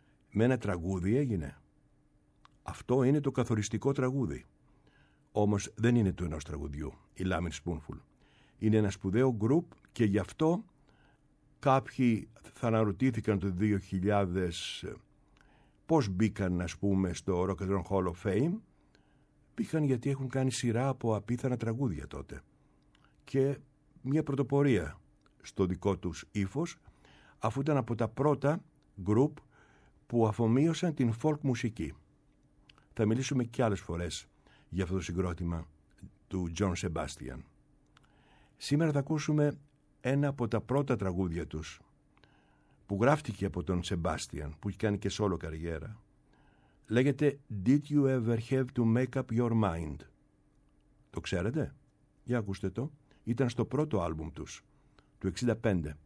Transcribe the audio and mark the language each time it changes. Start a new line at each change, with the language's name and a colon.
Greek: Με ένα τραγούδι έγινε. Αυτό είναι το καθοριστικό τραγούδι. Όμως δεν είναι του ενός τραγουδιού, η Loving Spoonful. Είναι ένα σπουδαίο γκρουπ και γι' αυτό κάποιοι θα αναρωτήθηκαν το 2000... πώς μπήκαν, ας πούμε, στο Rock and Roll Hall of Fame. Μπήκαν γιατί έχουν κάνει σειρά από απίθανα τραγούδια τότε και μια πρωτοπορία στο δικό τους ύφος, αφού ήταν από τα πρώτα γκρουπ που αφομοίωσαν την folk μουσική. Θα μιλήσουμε και άλλες φορές για αυτό το συγκρότημα του John Sebastian. Σήμερα θα ακούσουμε ένα από τα πρώτα τραγούδια τους που γράφτηκε από τον Sebastian, που έχει κάνει και σόλο καριέρα. Λέγεται
English: «Did you ever have to make up your mind?»
Greek: Το ξέρετε? Για ακούστε το. Ήταν στο πρώτο άλμπουμ τους, του 65.